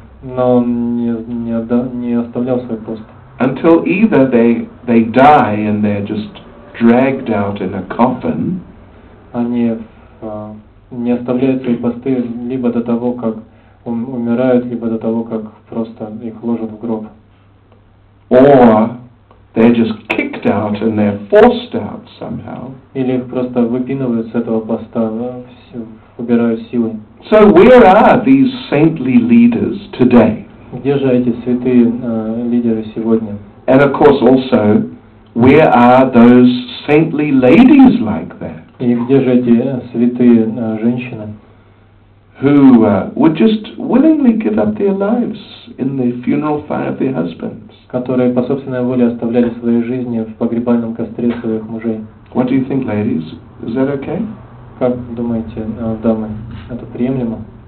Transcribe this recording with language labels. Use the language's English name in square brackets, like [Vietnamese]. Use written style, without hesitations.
[Russian] Но он не оставлял свой пост. [English] Until either they die and they're just dragged out in a coffin. [Russian] Они не оставляют свои посты либо до того, как умирают, либо до того, как просто их ложат в гроб. [English] Or they're just kicked out and they're forced out somehow. [Russian] Или их просто выпинывают с этого поста, да, все. [English] So where are these saintly leaders today? [Russian] Где же эти святые лидеры сегодня? [English] And of course also, where are those saintly ladies like that? [Russian] И где же эти святые женщины? [English] Who would just willingly give up their lives in the funeral fire of their husbands? [Russian] Которые по собственной воле оставляли свои жизни в погребальном костре своих мужей. [English] What do you think, ladies? Is that okay? [Russian] Как думаете, дамы, это приемлемо?